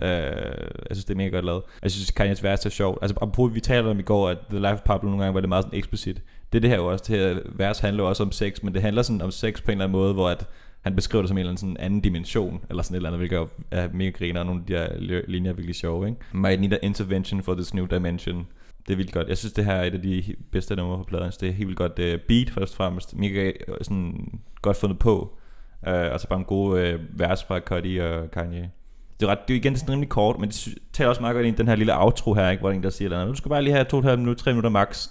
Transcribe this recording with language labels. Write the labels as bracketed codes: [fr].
[da] Jeg synes, det er mega godt lavet. Jeg synes, Kanye's vers er sjovt. Altså, apropos, vi talte om i går, at The Life of Pablo nogle gange var det meget sådan eksplicit. Det her jo også, det her vers handler også om sex, men det handler sådan om sex på en eller anden måde, hvor at han beskriver det som en eller anden sådan anden dimension, eller sådan et eller andet, hvilket er mega griner, og nogle af de her linjer er virkelig sjove, ikke? [en] Might need an intervention for this new dimension. [da] Det er vildt godt. Jeg synes, det her er et af de bedste numre på pladen. Det er helt vildt godt beat, først og fremmest. Mega sådan godt fundet på. Og så bare en god vers fra Cudi og Kanye. Det er igen sådan rimelig kort, men det tager også meget godt ind i den her lille outro her, ikke? Hvor der er en, der siger eller andet. Du skal bare lige have 2,5 minutter, 3 minutter max.